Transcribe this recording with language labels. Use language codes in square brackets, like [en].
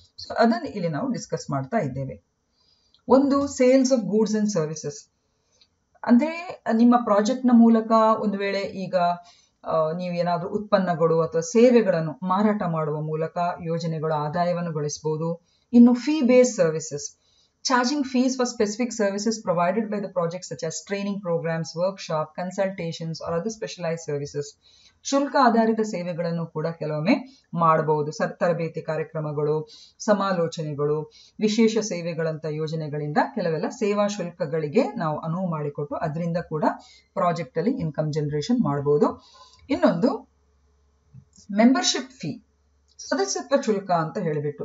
[kn] So ಅದನ್ನು ಇಲ್ಲಿ ನಾವು ಡಿಸ್ಕಸ್ ಮಾಡ್ತಾ ಇದ್ದೇವೆ. ಒಂದು sales of goods and services, ಅಂದ್ರೆ ನಿಮ್ಮ ಪ್ರಾಜೆಕ್ಟ್ನ ಮೂಲಕ ಒಂದು ವೇಳೆ ಈಗ ನೀವು ಏನಾದರೂ ಉತ್ಪನ್ನಗಳು ಅಥವಾ ಸೇವೆಗಳನ್ನು ಮಾರಾಟ ಮಾಡುವ ಮೂಲಕ ಯೋಜನೆಗಳು ಆದಾಯವನ್ನು ಗಳಿಸಬಹುದು. [en] ಇನ್ನು fee base services, charging fees for specific services provided by the project such as training programs, workshop, consultations or other specialized services. [kn] ಶುಲ್ಕ ಆಧಾರಿತ ಸೇವೆಗಳನ್ನು ಕೂಡ ಕೆಲವೊಮ್ಮೆ ಮಾಡಬಹುದು. ತರಬೇತಿ ಕಾರ್ಯಕ್ರಮಗಳು, ಸಮಾಲೋಚನೆಗಳು, ವಿಶೇಷ ಸೇವೆಗಳಂತ ಯೋಜನೆಗಳಿಂದ ಕೆಲವೆಲ್ಲ ಸೇವಾ ಶುಲ್ಕಗಳಿಗೆ ನಾವು ಅನುವು ಮಾಡಿಕೊಟ್ಟು ಅದರಿಂದ ಕೂಡ ಪ್ರಾಜೆಕ್ಟ್ ಅಲ್ಲಿ ಇನ್ಕಮ್ ಜನರೇಷನ್ ಮಾಡಬಹುದು. ಇನ್ನೊಂದು ಮೆಂಬರ್ಶಿಪ್ ಫೀ, ಸದಸ್ಯತ್ವ ಶುಲ್ಕ ಅಂತ ಹೇಳಿಬಿಟ್ಟು.